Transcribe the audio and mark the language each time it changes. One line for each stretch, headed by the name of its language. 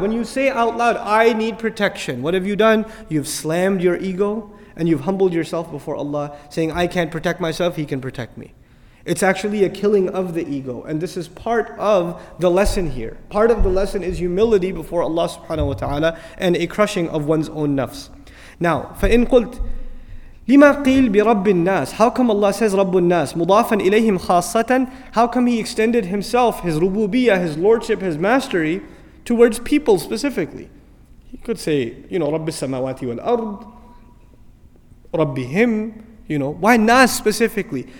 English: When you say out loud, I need protection, what have you done? You've slammed your ego and you've humbled yourself before Allah, saying, I can't protect myself, He can protect me. It's actually a killing of the ego. And this is part of the lesson here. Part of the lesson is humility before Allah subhanahu wa ta'ala and a crushing of one's own nafs.
Arabic: Now, فَإِن قُلْتْ لِمَا قِيلْ بِرَبِّ النَّاسِ.
English: How come Allah says
Arabic: رَبُّ النَّاسِ مُضَافًا إِلَيْهِمْ خَاصَّةً.
English: How come He extended Himself, His rububiyah, His lordship, His mastery towards people specifically? He could say, you know,
Arabic: رَبِّ السَّمَاوَاتِ وَالْأَرْضِ رَبِّهِمْ.
English: You know, why nas specifically?